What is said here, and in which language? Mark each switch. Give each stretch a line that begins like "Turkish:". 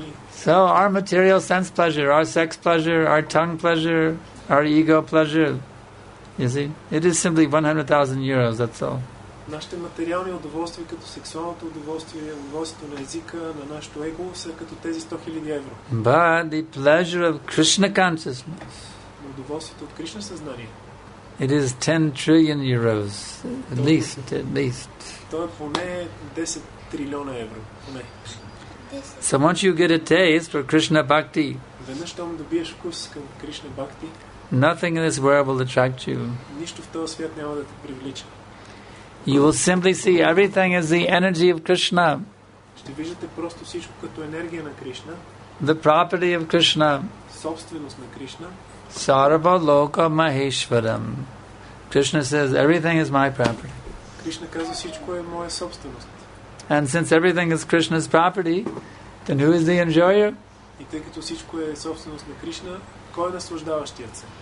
English: So our material sense pleasure, our sex pleasure, our tongue pleasure, our ego pleasure, you see, it is simply 100,000 euros, that's all.
Bulgarian: Нашите материални удоволствия, като сексуалното удоволствие, удоволствието на езика, на нашето его, са като тези 100 000 евро.
English: But the pleasure of Krishna consciousness.
Bulgarian: Удоволствието от Кришна съзнание.
English: It is 10 trillion euros, at least.
Bulgarian: То е поне 10 трилиона евро, поне.
English: So once you get a taste for Krishna bhakti.
Bulgarian: Веднъж щом добиеш вкус към Кришна бхакти.
English: Nothing in this world will attract you.
Bulgarian: Нищо в този свят няма да те привлича.
English: You will simply see everything as the energy of Krishna.
Bulgarian: Ще виждате просто всичко като енергия на Кришна.
English: The property of Krishna.
Bulgarian: Собственост на Кришна.
Sanskrit: Sarva loka maheshwaram.
English: Krishna says everything is my property.
Bulgarian: Кришна казва всичко е моя собственост.
English: And since everything is Krishna's property, then who is the enjoyer?
Bulgarian: И тъй като всичко е собственост на Кришна, кой е наслаждаващият се?